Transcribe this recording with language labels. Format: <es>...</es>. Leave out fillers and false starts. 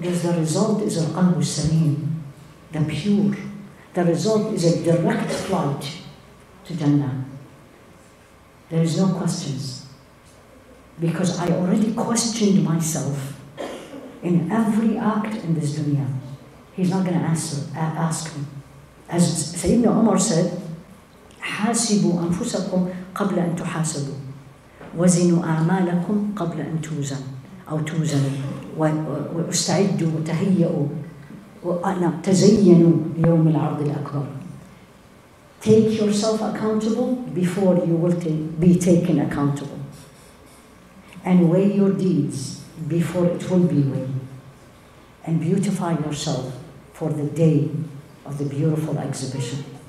<en>Because the result is al-qalb al-saleem, the pure. The result is a direct flight to Jannah. There is no questions. Because I already questioned myself in every act in this dunya. He's not going to ask me.</en> <ar>As Sayyidina Umar said, حاسبوا أنفسكم قبل أن تحاسبوا وزنوا أعمالكم قبل أن توزن أو توزن واستعدوا وتهيئوا تزينوا ليوم العرض الأكبر.</ar> <en>Take yourself accountable before you will be taken accountable. And weigh your deeds before it will be weighed. And beautify yourself for the day of the beautiful exhibition.</en>